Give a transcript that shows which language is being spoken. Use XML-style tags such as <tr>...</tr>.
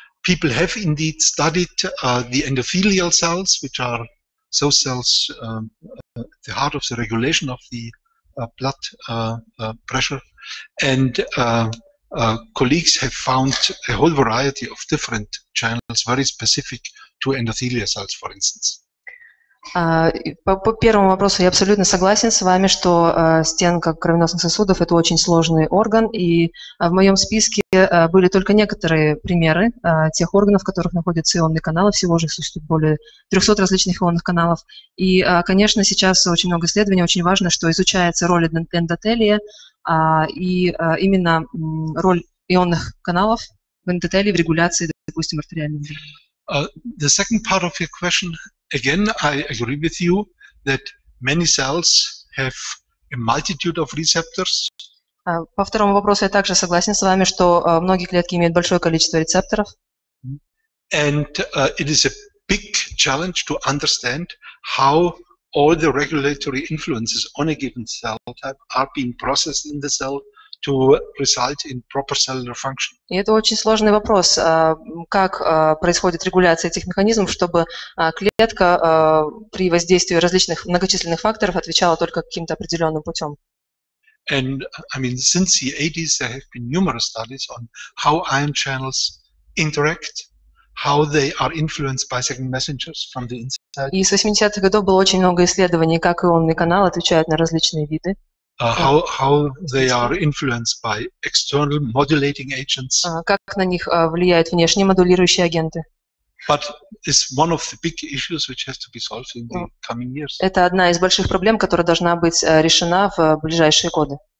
<en>People have indeed studied the endothelial cells, which are those cells at the heart of the regulation of the blood pressure. And colleagues have found a whole variety of different channels very specific to endothelial cells, for instance.</en> <ru>По первому вопросу я абсолютно согласен с вами, что стенка кровеносных сосудов – это очень сложный орган, и в моем списке были только некоторые примеры тех органов, в которых находятся ионные каналы, всего же существует более 300 различных ионных каналов. И, конечно, сейчас очень много исследований, очень важно, что изучается роль эндотелия и именно роль ионных каналов в эндотелии в регуляции, допустим, артериального давления.</ru> <en>The second part of your question, again, I agree with you that many cells have a multitude of receptors.</en> <ru>По второму вопросу я также согласен с вами, что многие клетки имеют большое количество рецепторов.</ru> <en>And it is a big challenge to understand how all the regulatory influences on a given cell type are being processed in the cell to result in proper cellular function.</en> <ru>И это очень сложный вопрос, как происходит регуляция этих механизмов, чтобы клетка при воздействии различных многочисленных факторов отвечала только каким-то определенным путем.</ru> <en>And I mean, since the 80s, there have been numerous studies on how ion channels interact, how they are influenced by second messengers from the inside.</en> <ru>И с 80-х годов было очень много исследований, как ионные каналы отвечают на различные виды.</ru> <en>How they are influenced by external modulating agents.</en> <ru>Как на них влияют внешние модулирующие агенты?</ru> <en>But it's one of the big issues which has to be solved in the coming years.</en> <ru>Это одна из больших проблем, которая должна быть решена в ближайшие годы.</ru>